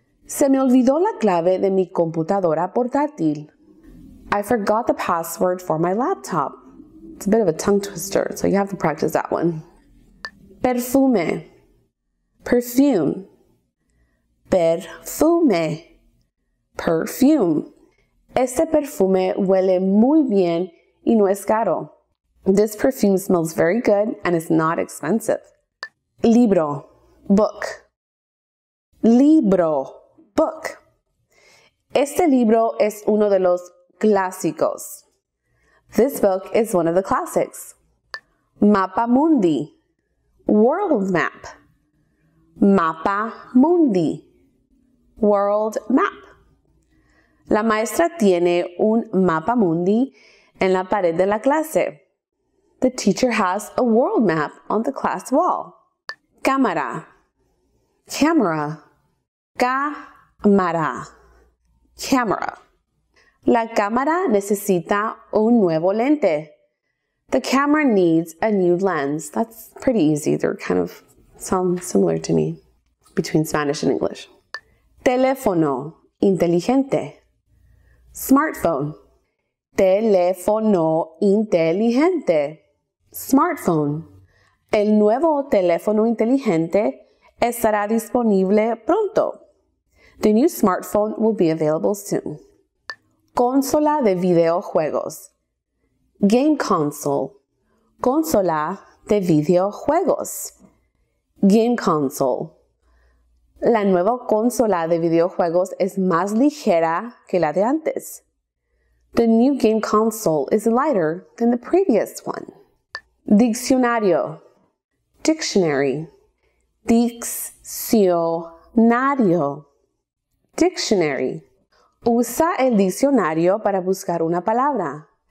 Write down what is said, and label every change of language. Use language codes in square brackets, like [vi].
[es] Se me olvidó la clave de mi computadora portátil. [en] I forgot the password for my laptop. It's a bit of a tongue twister, so you have to practice that one. Perfume. Perfume. Perfume. Perfume. [es] Este perfume huele muy bien y no es caro. [en] This perfume smells very good and is not expensive. [es] Libro. [en] Book. [es] Libro. Book. Este libro es uno de los clásicos. [en] This book is one of the classics. [es] Mapa mundi. [en] World map. [es] Mapa mundi. [en] World map. [es] La maestra tiene un mapa mundi en la pared de la clase. [en] The teacher has a world map on the class wall. [es] Cámara. [en] Camera. [es] Cámara. Camera. La cámara necesita un nuevo lente. [en] The camera needs a new lens. That's pretty easy. They're kind of sound similar to me between Spanish and English. [es] Teléfono inteligente. [en] Smartphone. [es] Teléfono inteligente. [en] Smartphone. [es] El nuevo teléfono inteligente estará disponible pronto. [en] The new smartphone will be available soon. [es] Consola de videojuegos. [en] Game console. [es] Consola de videojuegos. [en] Game console. [es] La nueva consola de videojuegos es más ligera que la de antes. [en] The new game console is lighter than the previous one. [es] Diccionario. [en] Dictionary. [es] Diccionario. Dictionary. Usa el diccionario para buscar una palabra.